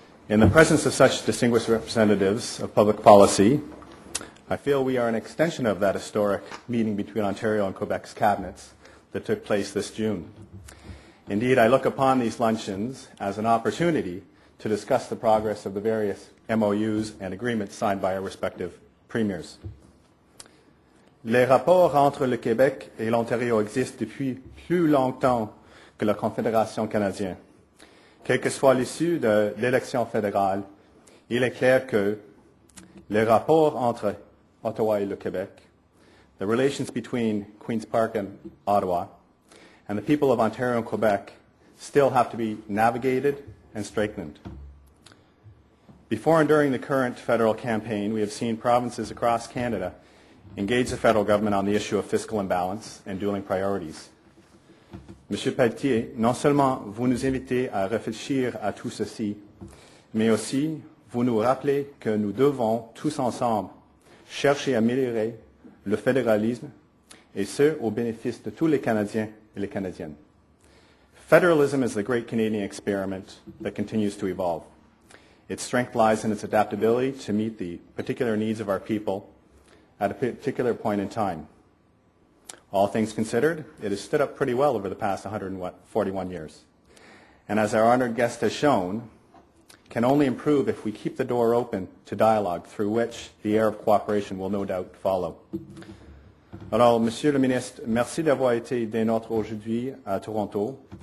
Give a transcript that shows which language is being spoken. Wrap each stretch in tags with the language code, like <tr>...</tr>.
<en>In the presence of such distinguished representatives of public policy, I feel we are an extension of that historic meeting between Ontario and Quebec's cabinets that took place this June. Indeed, I look upon these luncheons as an opportunity to discuss the progress of the various MOUs and agreements signed by our respective premiers.</en> <fr>Les rapports entre le Québec et l'Ontario existent depuis plus longtemps que la Confédération canadienne. Quelle que soit l'issue de l'élection fédérale, il est clair que les rapports entre Ottawa et le Québec,</fr> <en>the relations between Queen's Park and Ottawa, and the people of Ontario and Quebec still have to be navigated and strengthened. Before and during the current federal campaign, we have seen provinces across Canada engage the federal government on the issue of fiscal imbalance and dueling priorities.</en> <fr>Monsieur Pelletier, non seulement vous nous invitez à réfléchir à tout ceci, mais aussi vous nous rappelez que nous devons tous ensemble chercher à améliorer le fédéralisme, et ce, au bénéfice de tous les Canadiens et les Canadiennes.</fr> <en>Federalism is the great Canadian experiment that continues to evolve. Its strength lies in its adaptability to meet the particular needs of our people at a particular point in time. All things considered, it has stood up pretty well over the past 141 years. And as our honored guest has shown, can only improve if we keep the door open to dialogue through which the air of cooperation will no doubt follow.</en> <fr>Alors, Monsieur le Ministre, merci d'avoir été des nôtres aujourd'hui à Toronto.</fr>